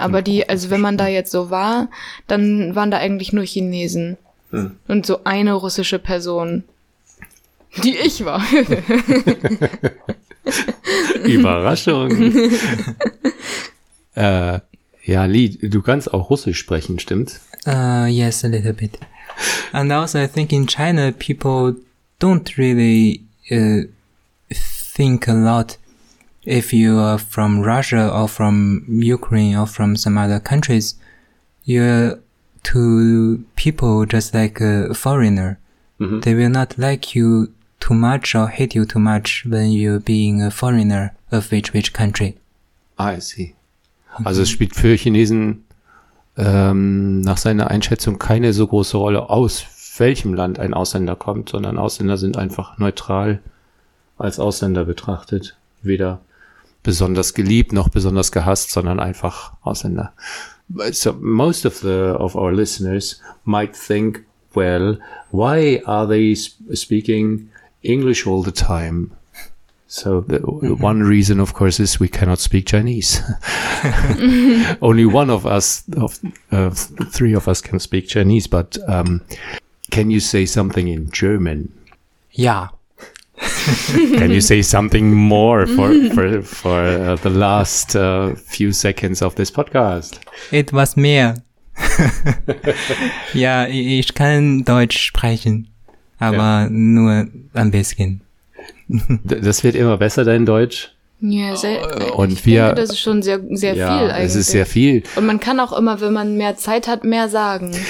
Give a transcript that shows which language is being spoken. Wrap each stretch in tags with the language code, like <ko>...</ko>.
<de>Aber die, also wenn man da jetzt so war, dann waren da eigentlich nur Chinesen. Hm. Und so eine russische Person, die ich war. Überraschung. Ja, Lee, du kannst auch Russisch sprechen, stimmt's?</de> <en>Yes, a little bit. And also I think in China people don't really think a lot if you are from Russia or from Ukraine or from some other countries. You're to people just like a foreigner. Mm-hmm. They will not like you too much or hate you too much when you're being a foreigner of which country. I see.</en> <de>Also es spielt für Chinesen nach seiner Einschätzung keine so große Rolle, aus welchem Land ein Ausländer kommt, sondern Ausländer sind einfach neutral als Ausländer betrachtet. Weder besonders geliebt noch besonders gehasst, sondern einfach Ausländer.</de> <en>So most of the of our listeners might think, well, why are they speaking English all the time? So the one reason, of course, is we cannot speak Chinese. Only one of us, three of us, can speak Chinese. But can you say something in German? Yeah. Can you say something more for the last few seconds of this podcast? It was</en> <de>mehr. Ja, ich kann Deutsch sprechen, aber yeah, nur ein bisschen. Das wird immer besser, dein Deutsch. Ja, ich denke, das ist schon sehr, sehr viel eigentlich. Es ist sehr viel. Und man kann auch immer, wenn man mehr Zeit hat, mehr sagen.</de>